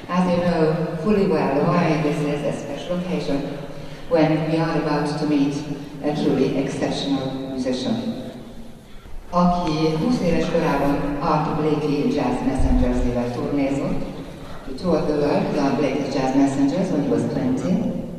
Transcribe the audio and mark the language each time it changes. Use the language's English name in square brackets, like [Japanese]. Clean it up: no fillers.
[English] you know fully well why this is a special occasion when we are about to meet a truly exceptional musician. [Hungarian] Aki 20 éves korában Arthur Blakey Jazz Messengers-ével turnézott. [English] He toured the world with Arthur Blakey Jazz Messengers when he was 20.